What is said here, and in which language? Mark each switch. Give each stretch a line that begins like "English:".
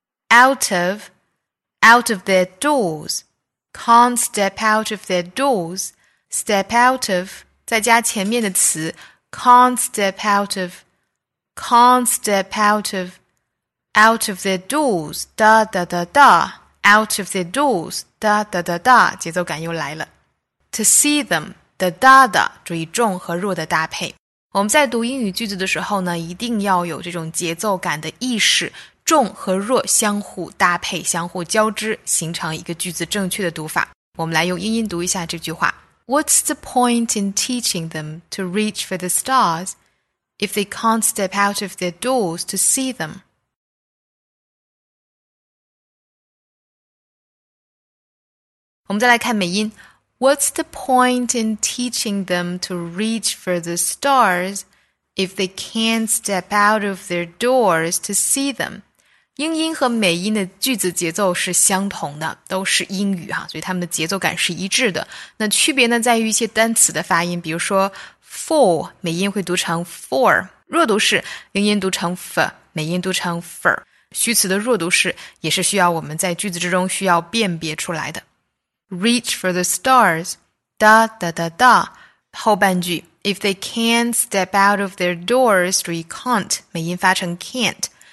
English: of their doors, can't step out of their doors, step out of,
Chinese: 再加前面的词
English: can't step out of, can't step out of their doors, da da da da,Out of their doors, da da da da,
Chinese: 节奏感又来了。
English: To see them, da da da,
Chinese: 注意重和弱的搭配。我们在读英语句子的时候呢，一定要有这种节奏感的意识，重和弱相互搭配，相互交织，形成一个句子正确的读法。我们来用英音读一下这句话。
English: What's the point in teaching them to reach for the stars if they can't step out of their doors to see them?
Chinese: 我们再来看美音
English: What's the point in teaching them to reach for the stars if they can't step out of their doors to see them?
Chinese: 英音和美音的句子节奏是相同的，都是英语哈，所以它们的节奏感是一致的。那区别呢，在于一些单词的发音，比如说 for, 美音会读成 for, 弱读是英音读成 f, 美音读成 fer。虚词的弱读是也是需要我们在句子之中需要辨别出来的。
English: Reach for the stars, da da da da.
Chinese: 后半句
English: If they can't step out of their doors, 注意 can't, 美音发成 can't.